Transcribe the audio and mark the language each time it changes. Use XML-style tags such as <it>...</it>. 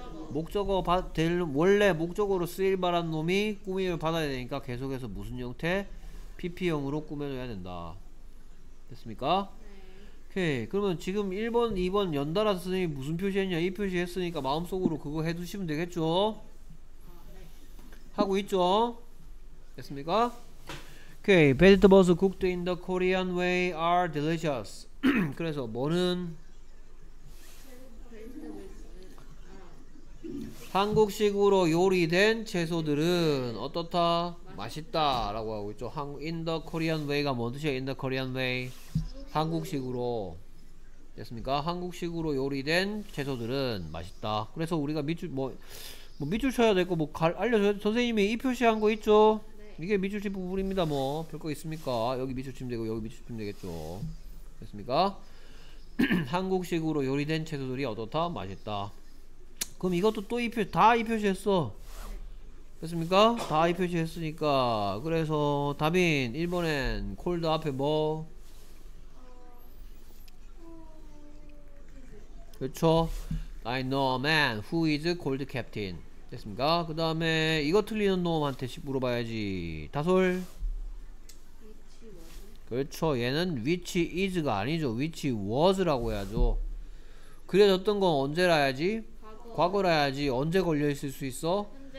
<ko>목적어 될, 원래 목적어로 쓰일 바란 놈이 꾸밈을 받아야 되니까 계속해서 무슨 형태? PP형으로 꾸며줘야 된다. 됐습니까? 오케이. 그러면 지금 1번, 2번 연달아 선생님이 무슨 표시했냐? 이 표시했으니까 마음속으로 그거 해두시면 되겠죠? 하고 있죠? 됐습니까? 오케이.</ko> <en>Vegetables cooked in the Korean way are delicious.</en> <ko>그래서 뭐는? 한국식으로 요리된 채소들은 어떻다? 맛있다 라고 하고 있죠.</ko> <en>In the Korean way</en> <ko>가 뭔 뜻이야?</ko> <en>In the Korean way.</en> <ko>한국식으로, 됐습니까? 한국식으로 요리된 채소들은 맛있다. 그래서 우리가 밑줄 뭐 밑줄 쳐야 되고 뭐 알려줘야 돼. 선생님이 이 표시한 거 있죠? 네. 이게 밑줄 친 부분입니다. 뭐 별 거 있습니까? 여기 밑줄 치면 되고 여기 밑줄 치면 되겠죠. 됐습니까? 한국식으로 요리된 채소들이 어떻다? 맛있다. 그럼 이것도 또 이 표시, 다 이 표시했어. 됐습니까? 다 이 표시했으니까 그래서 답인 1번엔 콜드 앞에 뭐 그쵸?</ko> <en>I know a man who is cold captain.</en> <ko>됐습니까? 그 다음에 이거 틀리는 놈한테 물어봐야지. 다솔?</ko> <en>Which was?</en> <ko>그쵸. 얘는</ko> <en>which is</en> <ko>가 아니죠.</ko> <en>which was</en> <ko>라고 해야죠. 그려졌던 건 언제라야지? 과거라야지. 언제 걸려있을 수 있어?</ko>